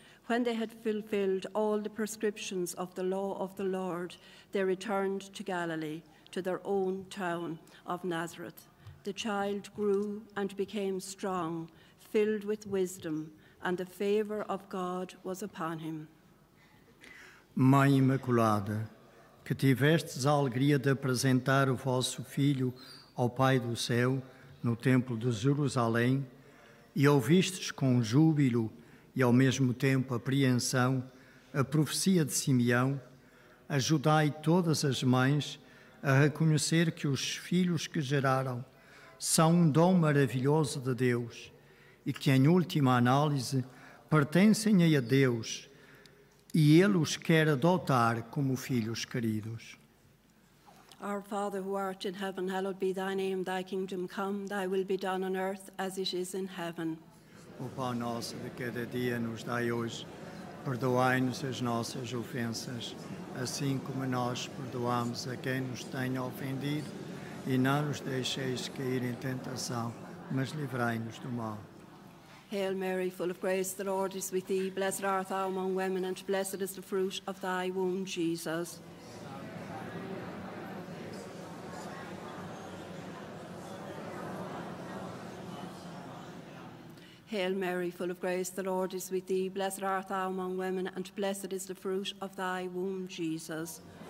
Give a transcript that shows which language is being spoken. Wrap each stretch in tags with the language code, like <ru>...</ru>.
<en>When they had fulfilled all the prescriptions of the law of the Lord, they returned to Galilee, to their own town of Nazareth. The child grew and became strong, filled with wisdom, and the favor of God was upon him.</en> <pt>Mãe Imaculada, que tivestes a alegria de apresentar o vosso filho ao Pai do Céu no Templo de Jerusalém, e ouvistes com júbilo e ao mesmo tempo apreensão a profecia de Simeão, ajudai todas as mães a reconhecer que os filhos que geraram são um dom maravilhoso de Deus e que, em última análise, pertencem a Deus e Ele os quer adotar como filhos queridos.</pt> <en>Our Father, who art in heaven, hallowed be thy name, thy kingdom come, thy will be done on earth as it is in heaven.</en> <pt>O pão nosso de cada dia nos dai hoje, perdoai-nos as nossas ofensas, assim como nós perdoamos a quem nos tem ofendido, e não nos deixeis cair em tentação, mas livrai-nos do mal.</pt> <en>Hail Mary, full of grace, the Lord is with thee. Blessed art thou among women, and blessed is the fruit of thy womb, Jesus. Hail Mary, full of grace, the Lord is with thee. Blessed art thou among women, and blessed is the fruit of thy womb, Jesus.</en>